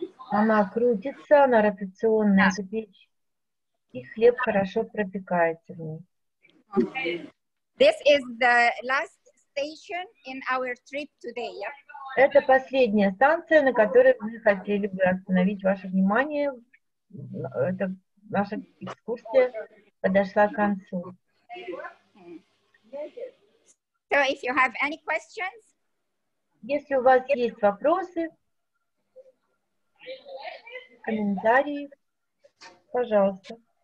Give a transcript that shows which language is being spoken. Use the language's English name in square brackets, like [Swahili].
[Russian] Она крутится на ротационной печи, и хлеб хорошо пропекается в ней. [English] This is the last station in our trip today. [Russian] Это последняя станция, на которой мы хотели бы остановить ваше внимание. Это наша экскурсия подошла к концу. [English] So if you have any questions, [Russian] если у вас есть вопросы, комментарии, пожалуйста.